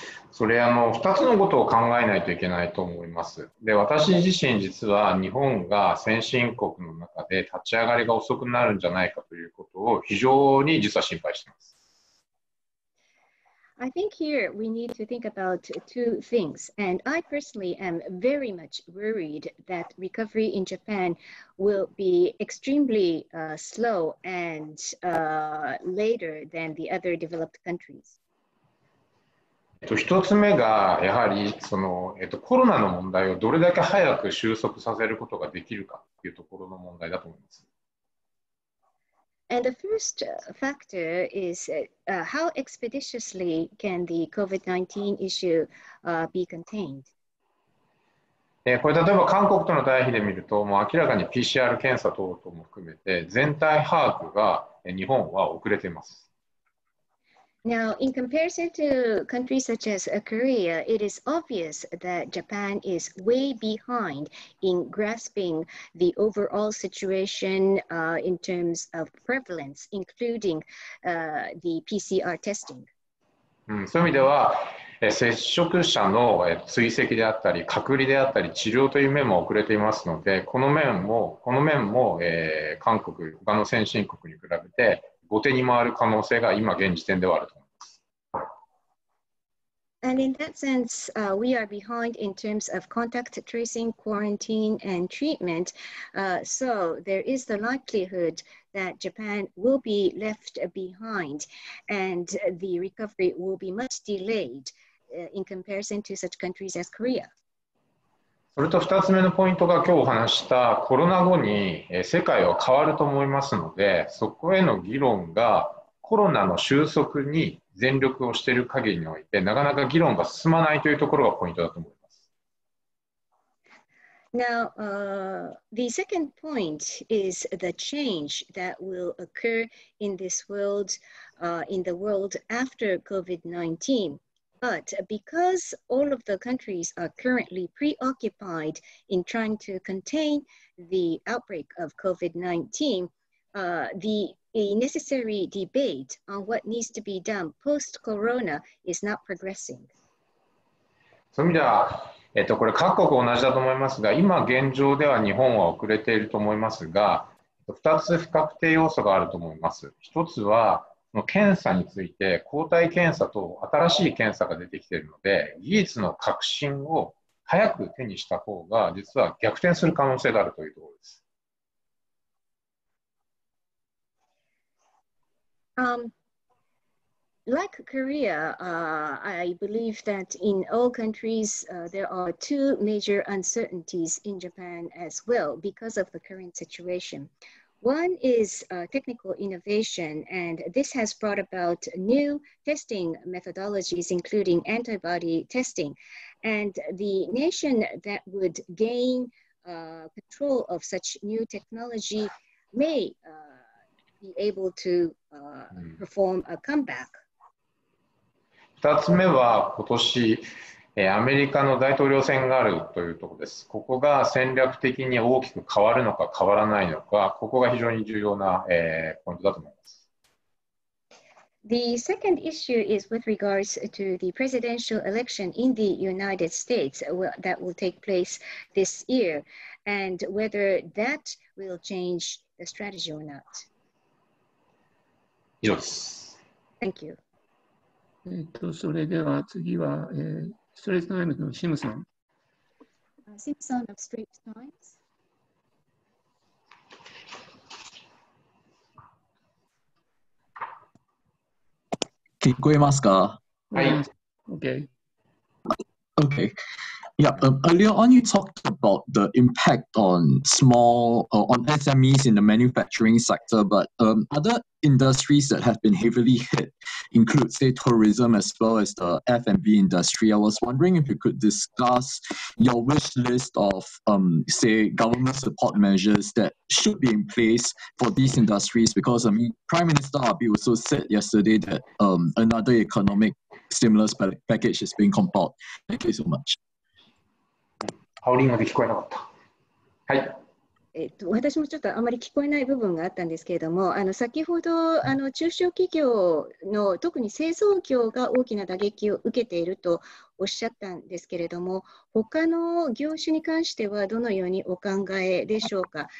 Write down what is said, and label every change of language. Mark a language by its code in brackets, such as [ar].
[ja] それ2つのことを考えないといけないと思います。で、私自身実は日本が先進国の中で立ち上がりが遅くなるんじゃないかということを非常に実は心配しています。 [en] I think here we need to think about two things, and I personally am very much worried that recovery in Japan will be extremely slow and later than the other developed countries. [ja] 一つ目がやはりコロナの問題をどれだけ早く収束させることができるかというところの問題だと思います。 [en] And the first factor is how expeditiously can the COVID-19 issue be contained? [ja] これ例えば韓国との対比で見ると、もう明らかに PCR 検査等々も含めて全体把握が日本は遅れています。 [en] Now, in comparison to countries such as Korea, it is obvious that Japan is way behind in grasping the overall situation in terms of prevalence, including the PCR testing. [ja] そういう意味では、接触者の追跡であったり、隔離であったり、治療という面も遅れていますので、この面も、韓国、他の先進国に比べて、後手に回る可能性が今現時点ではあると思います。 [en] And in that sense, we are behind in terms of contact tracing, quarantine, and treatment. So there is the likelihood that Japan will be left behind, and the recovery will be much delayed in comparison to such countries as Korea. [ja] それと2つ目のポイントが今日お話したコロナ後に世界は変わると思いますので、そこへの議論がコロナの収束に全力をしている限りにおいてなかなか議論が進まないというところがポイントだと思います。 [en] Now, the second point is the change that will occur in this world, in the world after COVID-19. But because all of the countries are currently preoccupied in trying to contain the outbreak of COVID-19, the necessary debate on what needs to be done post-corona is not progressing. [ja] そういう意味では、これ各国同じだと思いますが、今現状では日本は遅れていると思いますが、2つ不確定要素があると思います。 1つは、検査について抗体検査と新しい検査が出てきているので、技術の革新を早く手にした方が実は逆転する可能性があるというところです。 [en] Like Korea, I believe that in all countries, there are two major uncertainties in Japan as well because of the current situation. One is technical innovation, and this has brought about new testing methodologies, including antibody testing. And the nation that would gain control of such new technology may be able to perform a comeback. [ja] 2つ目は今年、アメリカの大統領選があるというところです。ここが戦略的に大きく変わるのか変わらないのか、ここが非常に重要な、ポイントだと思います。 [en] The second issue is with regards to the presidential election in the United States that will take place this year, and whether that will change the strategy or not. [ja] 以上です。 [en] Thank you. [ja] それでは次は、ストレイトタイムズのシムさん。シムさんのストレイトタイムズ。聞こえますか？はい。Okay. [en] Okay. Yeah, earlier on you talked about the impact on on SMEs in the manufacturing sector, but other industries that have been heavily hit include, say, tourism as well as the F&B industry. I was wondering if you could discuss your wish list of, say, government support measures that should be in place for these industries, because I mean, Prime Minister Abe also said yesterday that another economic stimulus package is being compiled. Thank you so much. [ja] ハウリングで聞こえなかった。はい。私もちょっとあまり聞こえない部分があったんですけれども、先ほど中小企業の特に製造業が大きな打撃を受けているとおっしゃったんですけれども、他の業種に関してはどのようにお考えでしょうか。